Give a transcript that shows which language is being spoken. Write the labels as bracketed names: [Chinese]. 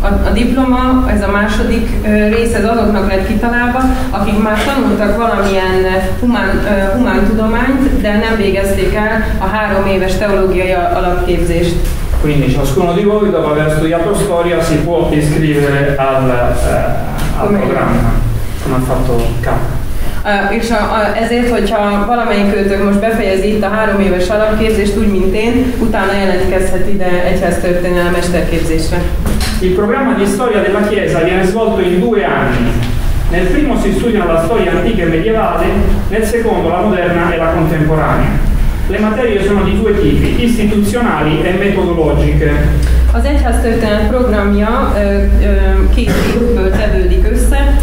[Hungarian] A diploma, ez a második rész, ez azoknak lett kitalálva, akik már tanultak valamilyen humán tudományt, de nem végezték el a 3 éves teológiai alapképzést. [Italian] Quindi ciascuno di voi, dopo aver studiato storia, si può iscrivere al programma, come ha fatto K. [Hungarian] És ezért, hogyha valamelyikőtök most befejezi itt a 3 éves alapképzést, úgy mint én, utána jelentkezhet ide egyháztörténelem mesterképzésre. [Italian] Il programma di storia della Chiesa viene svolto in 2 anni. Nel primo si studia la storia antica e medievale, nel secondo la moderna e la contemporanea. Le materie sono di 2 tipi, istituzionali e metodologiche. [Hungarian] Az egyháztörténet programja két évből tevődik össze.